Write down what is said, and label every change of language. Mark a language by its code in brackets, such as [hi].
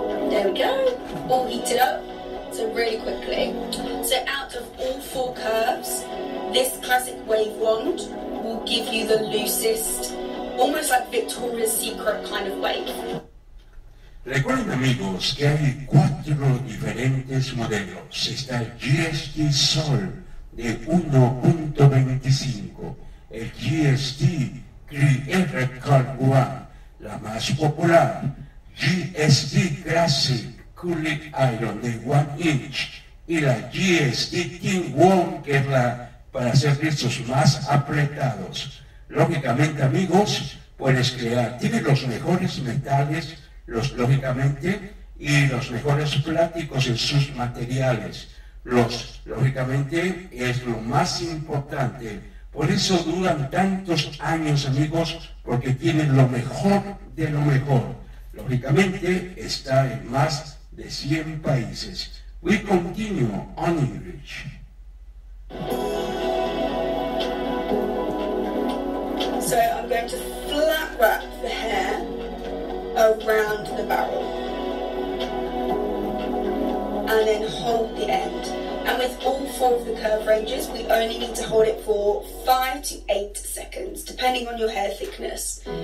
[en] There we go, all heated up, so really quickly. So out of all four curves, this classic wave wand will give you the loosest, almost like Victoria's Secret kind of wave. [es] Recuerden, amigos, que hay cuatro diferentes modelos. Está GST Sol de 1.25, el GST Creative Cut 1, la más popular, GST Classic Curling Iron de 1 inch, y la GST King 1, que es la para hacer rizos más apretados. Lógicamente, amigos, puedes crear, tiene los mejores metales, los lógicamente, y los mejores plásticos en sus materiales. Los, lógicamente, es lo más importante. Por eso duran tantos años, amigos, porque tienen lo mejor de lo mejor. Lógicamente, está en más de 100 países. [en] We continue on English. Okay, so next we have the hair around the barrel and then hold the end. And with all four of the curve ranges, we only need to hold it for 5 to 8 seconds, depending on your hair thickness.